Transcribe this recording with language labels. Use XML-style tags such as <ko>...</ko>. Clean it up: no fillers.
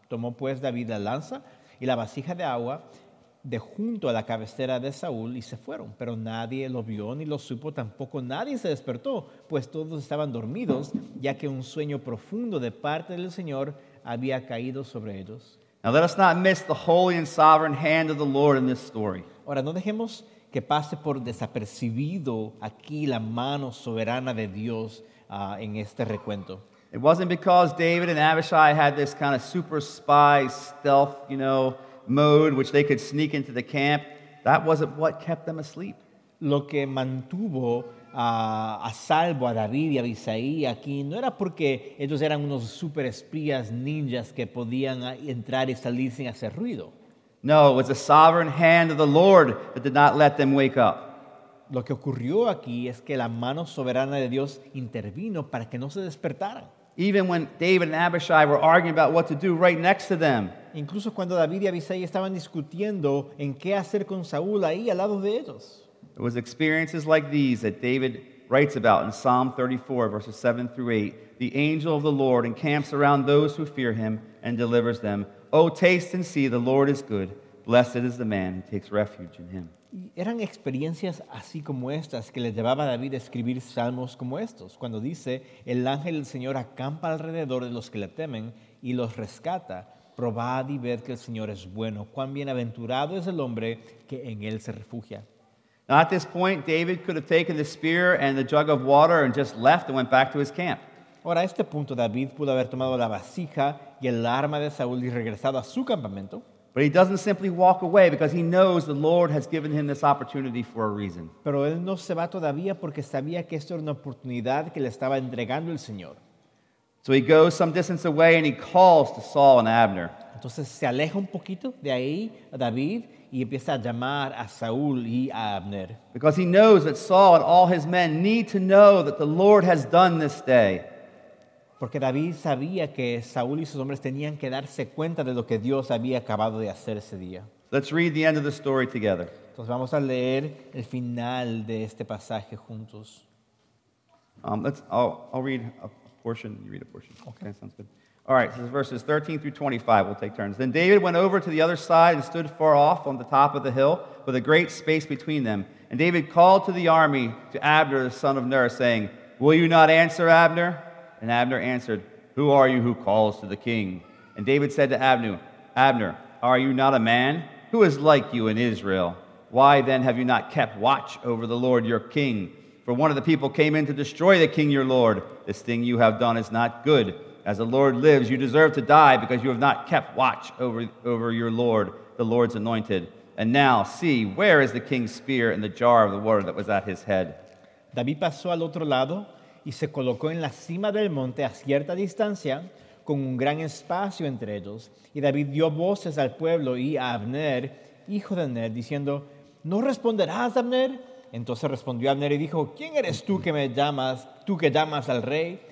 <es>Tomó pues David la lanza y la vasija de agua de junto a la cabecera de Saúl y se fueron. Pero nadie lo vio ni lo supo, tampoco nadie se despertó, pues todos estaban dormidos, ya que un sueño profundo de parte del Señor había caído sobre ellos.</es> <en>Now let us not miss the holy and sovereign hand of the Lord in this story.</en> <es>Ahora no dejemos que pase por desapercibido aquí la mano soberana de Dios en este recuento.</es> <en>It wasn't because David and Abishai had this kind of super spy stealth, you know, mode which they could sneak into the camp. That wasn't what kept them asleep.</en> <es>Lo que mantuvo a salvo a David y a Abishai aquí no era porque ellos eran unos super espías ninjas que podían entrar y salir sin hacer ruido.</es> <en>No, it was the sovereign hand of the Lord that did not let them wake up.</en> <es>Lo que ocurrió aquí es que la mano soberana de Dios intervino para que no se despertaran.</es> <en>Even when David and Abishai were arguing about what to do right next to them.</en> <es>Incluso cuando David y Abishai estaban discutiendo en qué hacer con Saúl ahí al lado de ellos.</es> <en>It was experiences like these that David writes about in Psalm 34, verses 7 through 8. The angel of the Lord encamps around those who fear him and delivers them. Oh, taste and see, the Lord is good. Blessed is the man who takes refuge in him.</en> <es>Eran experiencias así como estas que le llevaba a David a escribir salmos como estos, cuando dice, el ángel del Señor acampa alrededor de los que le temen y los rescata. Probad y ved que el Señor es bueno. Cuán bienaventurado es el hombre que en él se refugia.</es> <en>Now at this point, David could have taken the spear and the jug of water and just left and went back to his camp.</en> <es>Ahora, a este punto, David pudo haber tomado la vasija y el arma de Saúl y regresado a su campamento.</es> <en>But he doesn't simply walk away because he knows the Lord has given him this opportunity for a reason.</en> <es>Pero él no se va todavía porque sabía que esto era una oportunidad que le estaba entregando el Señor.</es> <en>So he goes some distance away and he calls to Saul and Abner.</en> <es>Entonces se aleja un poquito de ahí a David y empieza a llamar a Saúl y a Abner.</es> <en>Because he knows that Saul and all his men need to know that the Lord has done this day.</en> <es>Porque David sabía que Saúl y sus hombres tenían que darse cuenta de lo que Dios había acabado de hacer ese día.</es> <en>Let's read the end of the story together.</en> <es>Entonces vamos a leer el final de este pasaje juntos.</es> <en>I'll read a portion. You read a portion. Okay, that sounds good. All right, so this is verses 13 through 25. We'll take turns. Then David went over to the other side and stood far off on the top of the hill with a great space between them. And David called to the army, to Abner, the son of Ner, saying, "Will you not answer, Abner?" And Abner answered, "Who are you who calls to the king?" And David said to Abner, "Abner, are you not a man? Who is like you in Israel? Why then have you not kept watch over the Lord your king? For one of the people came in to destroy the king your lord. This thing you have done is not good. As the Lord lives, you deserve to die because you have not kept watch over your lord, the Lord's anointed. And now see, where is the king's spear in the jar of the water that was at his head?"</en> <es>David pasó al otro lado. Y se colocó en la cima del monte a cierta distancia, con un gran espacio entre ellos. Y David dio voces al pueblo y a Abner, hijo de Ner, diciendo, "¿No responderás, Abner?" Entonces respondió Abner y dijo, "¿Quién eres tú que me llamas, tú que llamas al rey?"</es>